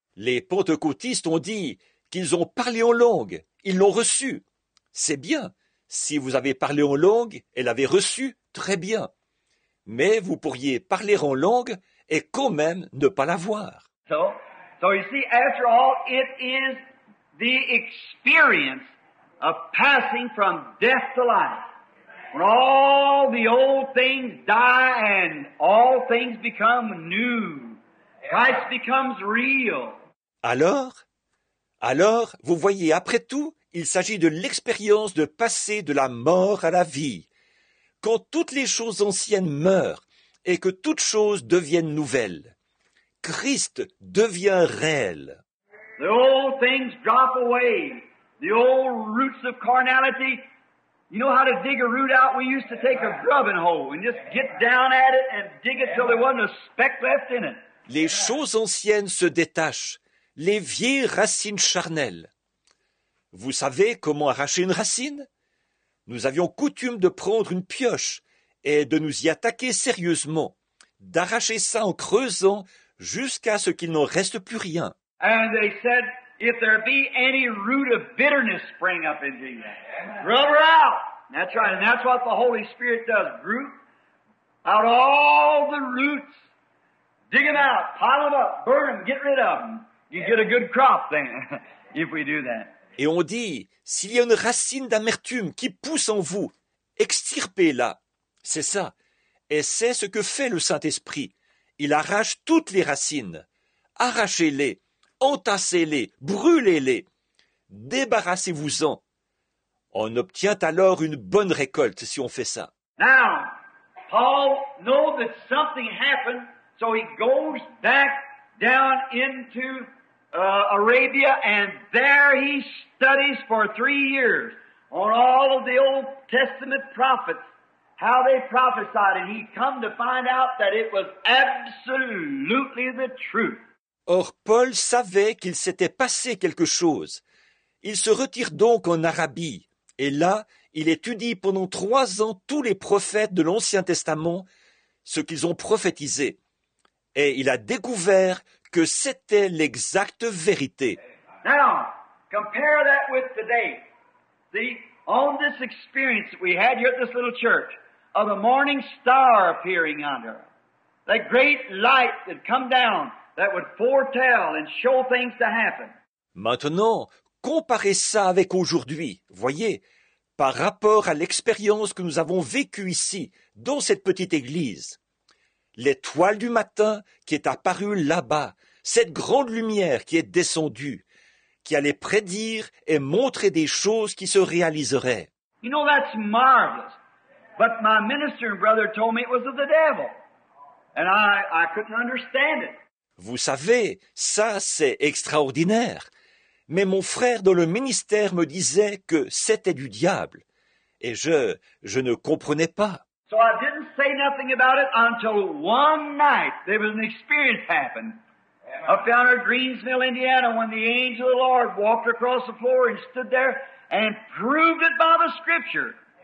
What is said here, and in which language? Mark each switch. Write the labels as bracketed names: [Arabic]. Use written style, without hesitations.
[French] Les pentecôtistes ont dit qu'ils ont parlé en langue, ils l'ont reçu. C'est bien, si vous avez parlé en langue et l'avez reçu, très bien. mais vous pourriez parler en langue et quand même ne pas la voir. [English] So you see, after all, it is the experience of passing from death to life. When all the old things die and all things become new, Christ becomes real. [French] Alors, vous voyez, après tout, il s'agit de l'expérience de passer de la mort à la vie. Quand toutes les choses anciennes meurent et que toutes choses deviennent nouvelles, Christ devient réel. [English] The old things drop away. The old roots of carnality. You know how to dig a root out? We used to take a grubbing hole and just get down at it and dig it till there wasn't a speck left in it. [French] Les choses anciennes se détachent, les vieilles racines charnelles. Vous savez comment arracher une racine? Nous avions coutume de prendre une pioche et de nous y attaquer sérieusement, d'arracher ça en creusant jusqu'à ce qu'il n'en reste plus rien. [English] And they said, if there be any root of bitterness spring up in thee, grub her out. That's right, and that's what the Holy Spirit does. Root out all the roots. Dig them out, pile them up, burn them, get rid of them. You get a good crop then, if we do that. [French] Et on dit, s'il y a une racine d'amertume qui pousse en vous, extirpez-la. C'est ça. Et c'est ce que fait le Saint-Esprit. Il arrache toutes les racines. Arrachez-les, entassez-les, brûlez-les. Débarrassez-vous-en. On obtient alors une bonne récolte si on fait ça. [English] Now, Paul knows that something happened, so he goes back down into Arabia, and there he studies for 3 years on all of the Old Testament prophets, how they prophesied, and he come to find out that it was absolutely the truth. [French] Or, Paul savait qu'il s'était passé quelque chose. Il se retire donc en Arabie, et là, il étudie pendant 3 ans tous les prophètes de l'Ancien Testament, ce qu'ils ont prophétisé, et il a découvert que c'était l'exacte vérité. [English] Now, compare that with today. See, on this experience that we had here at this little church of the morning star appearing under, that great light that come down that would foretell and show things to happen. [French] Maintenant, comparez ça avec aujourd'hui, voyez, par rapport à l'expérience que nous avons vécue ici, dans cette petite église. L'étoile du matin qui est apparue là-bas, cette grande lumière qui est descendue, qui allait prédire et montrer des choses qui se réaliseraient. [English] You know, that's marvelous. But my minister and brother told me it was of the devil. And I couldn't understand it. [French] Vous savez, ça c'est extraordinaire. Mais mon frère dans le ministère me disait que c'était du diable. Et je ne comprenais pas. [English] So I didn't say nothing about it until one night there was an experience happened. Up down in Greensville, Indiana, when the angel of the Lord walked across the floor and stood there and proved it by the scripture.